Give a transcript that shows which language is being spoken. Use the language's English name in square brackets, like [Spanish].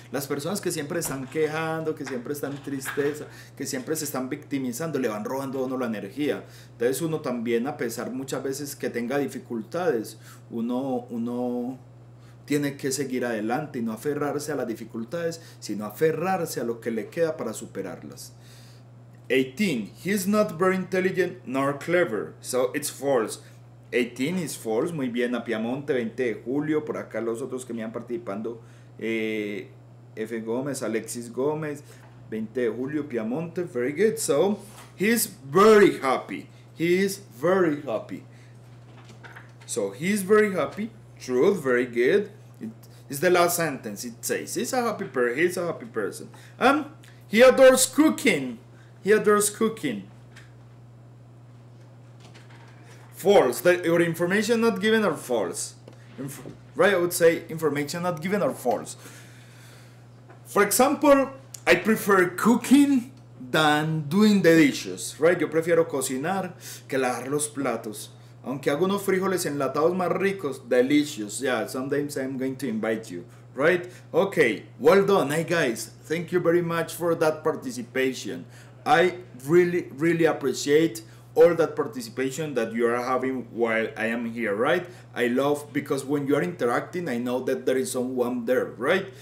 [Spanish] Las personas que siempre están quejando, que siempre están en tristeza, que siempre se están victimizando, le van robando a uno la energía. Entonces uno también, a pesar muchas veces que tenga dificultades, uno tiene que seguir adelante y no aferrarse a las dificultades, sino aferrarse a lo que le queda para superarlas. 18. [English] He's not very intelligent nor clever, so it's false. 18 is false. [Spanish] Muy bien, a Piamonte, 20 de julio. Por acá los otros que me han participando. F. Gómez, Alexis Gómez, 20 de julio, Piamonte. [English] Very good. So, he's very happy. He is very happy. So, he's very happy. Truth, very good. It's the last sentence. It says, he's a happy person. He adores cooking. He adores cooking. False. Your information not given or false. Right, I would say information not given or false. For example, I prefer cooking than doing the dishes. [Spanish] Right, yo prefiero cocinar que lavar los platos. Aunque hago unos frijoles enlatados más ricos, delicious. [English] Yeah, sometimes I'm going to invite you. Right? Okay, well done. Hey guys, thank you very much for that participation. I really, really appreciate all that participation that you are having while I am here, right? I love, because when you are interacting, I know that there is someone there, right?